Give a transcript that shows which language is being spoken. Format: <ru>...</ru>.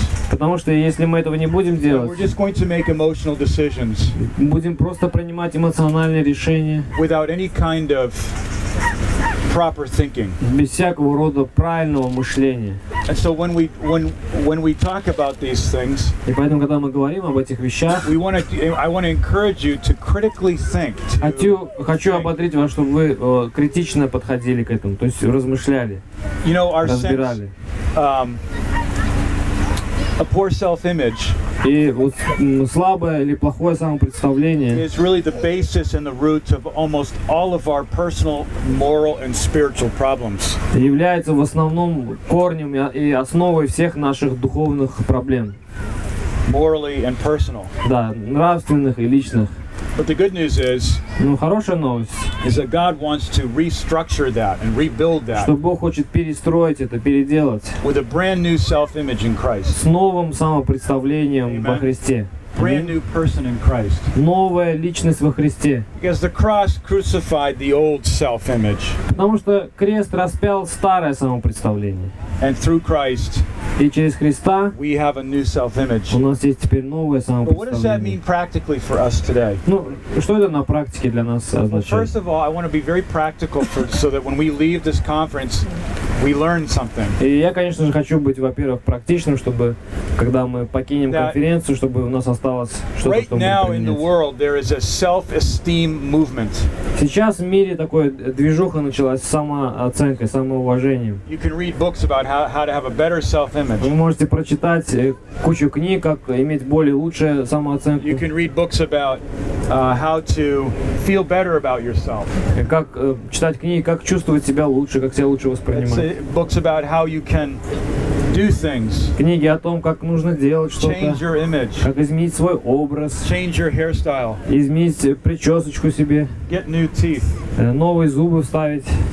<ru>Потому что если мы этого не будем делать, будем просто принимать эмоциональные решения без всякого рода правильного мышления.</ru> <en>And so when we talk about these things,</en> <ru>и поэтому когда мы говорим об этих вещах,</ru> <en>I want to encourage you to critically think.</en> <ru>Хочу ободрить вас, чтобы вы критично подходили к этому, то есть размышляли,</ru> <en>you know, our</en> <ru>разбирали.</ru> <en>A poor self-image.</en> <ru>И вот слабое или плохое самопредставление.</ru> <en>It's really the basis and the root of almost all of our personal, moral, and spiritual problems.</en> <ru>Является в основном корнем и основой всех наших духовных проблем.</ru> <en>Morally and personal.</en> <ru>Да, нравственных и личных.</ru> <en>But the good news is.</en> <ru>Ну хорошая новость.</ru> <en>Is that God wants to restructure that and rebuild that?</en> <ru>Что Бог хочет перестроить это, переделать.</ru> <en>With a brand new self-image in Christ.</en> <ru>С новым самопредставлением во Христе.</ru> <en>Brand new person in Christ.</en> <ru>Новая личность во Христе.</ru> <en>Because the cross crucified the old self-image.</en> <ru>Потому что крест распял старое самопредставление.</ru> <en>And through Christ.</en> <ru>И через Христа.</ru> <en>We have a new self-image.</en> <ru>У нас есть теперь новое самопредставление.</ru> <en>But what does that mean practically for us today?</en> <ru>Ну, что это на практике для нас означает?</ru> <en>First of all, I want to be very practical so that when we leave this conference, we learn something.</en> <ru>И я, конечно же, хочу быть, во-первых, практичным, чтобы когда мы покинем конференцию, чтобы у нас осталось что-то,</ru> <en>right now in the world there is a self-esteem movement.</en> <ru>Сейчас в мире такое движуха началась с самооценкой, самоуважением.</ru> <en>You can read books about how to have a better self-image.</en> <ru>Вы можете прочитать кучу книг, как иметь более лучшую самооценку.</ru> <en>You can read books about how to feel better about yourself.</en> <ru>Как читать книги, как чувствовать себя лучше, как себя лучше воспринимать.</ru> <en>Books about how you can do things.</en> <ru>Книги о том, как нужно делать что-то.</ru> <en>Change your image.</en> <ru>Как изменить свой образ.</ru> <en>Change your hairstyle.</en> <ru>Изменить причесочку себе.</ru> <en>Get new teeth.</en> <ru>Новые зубы вставить.</ru>